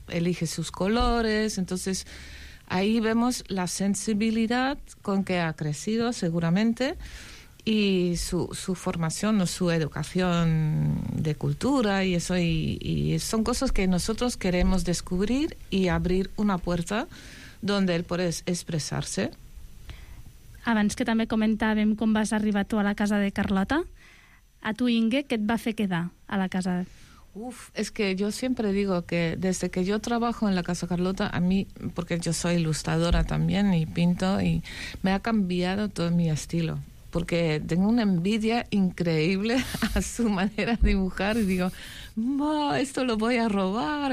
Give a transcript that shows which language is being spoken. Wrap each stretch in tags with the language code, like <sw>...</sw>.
<es>Elige sus colores, entonces ahí vemos la sensibilidad con que ha crecido seguramente. Y su formación o su educación de cultura y eso, y son cosas que nosotros queremos descubrir y abrir una puerta donde él puede expresarse.</es> <ca>Abans que també comentàvem com vas arribar tu a la Casa de Carlota, a tu, Inge, què et va fer quedar a la casa?</ca> <es>Uf, es que yo siempre digo que desde que yo trabajo en la Casa Carlota, a mí, porque yo soy ilustradora también y pinto, y me ha cambiado todo mi estilo. Porque tengo una envidia increíble a su manera de dibujar y digo, esto lo voy a robar.</es>